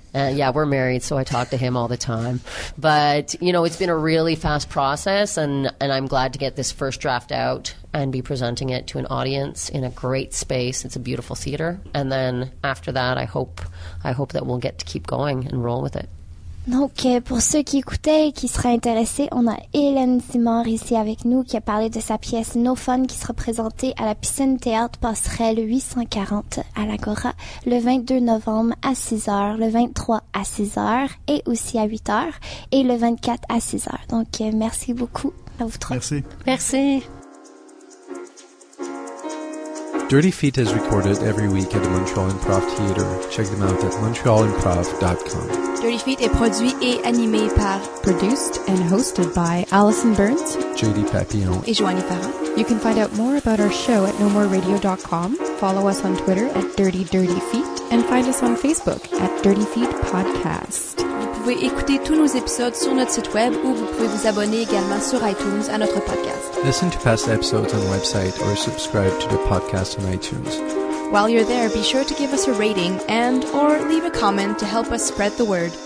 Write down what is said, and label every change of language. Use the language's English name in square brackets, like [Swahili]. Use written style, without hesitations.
[English] Yeah, we're married, so I talk to him all the time. But, you know, it's been a really fast process, and I'm glad to get this first draft out and be presenting it to an audience in a great space. It's a beautiful theater. And then after that, I hope that we'll get to keep going and roll with it. [French] Donc, pour ceux qui écoutaient et qui seraient intéressés, on a Hélène Simard ici avec nous qui a parlé de sa pièce No Fun qui sera présentée à la Piscine Théâtre Passerelle 840 à l'Agora le 22 novembre à 6h, le 23 à 6h et aussi à 8h et le 24 à 6h. Donc, merci beaucoup à vous trois. Merci. Merci. [English] Dirty Feet is recorded every week at the Montreal Improv Theatre. Check them out at montrealimprov.com. [French] Dirty Feet est produit et animé par, [English] produced and hosted by Allison Burns, JD Papillon [French] et Joanie Farah. [English] You can find out more about our show at nomoreradio.com, follow us on Twitter at Dirty Dirty Feet, and find us on Facebook at Dirty Feet Podcast. [French] Vous pouvez écouter tous nos épisodes sur notre site web ou vous pouvez vous abonner également sur iTunes à notre podcast. [English] Listen to past episodes on the website or subscribe to the podcast on iTunes. While you're there, be sure to give us a rating and or leave a comment to help us spread the word.